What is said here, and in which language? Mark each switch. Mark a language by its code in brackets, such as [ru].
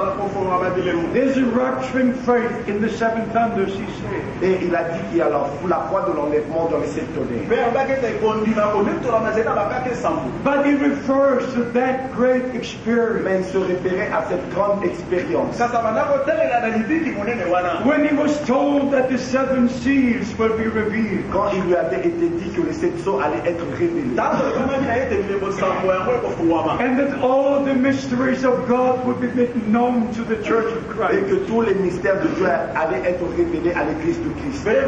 [en] There's a rupturing faith in the seven thunders, he said. [fr] Et il a dit qu'il y a la foi de l'enlèvement dans les sept tonnerres. [en] But he refers to that great experience. [fr] Mais il se référait à cette grande expérience. [en] When he was told that the seven seals will be revealed. [fr] Quand il lui avait été dit que les sept seaux allaient être révélés. [en] And that all the mysteries of God would be made known to the Church of Christ. [fr] Et que tous les mystères de Dieu allaient être révélés à l'Église de Christ.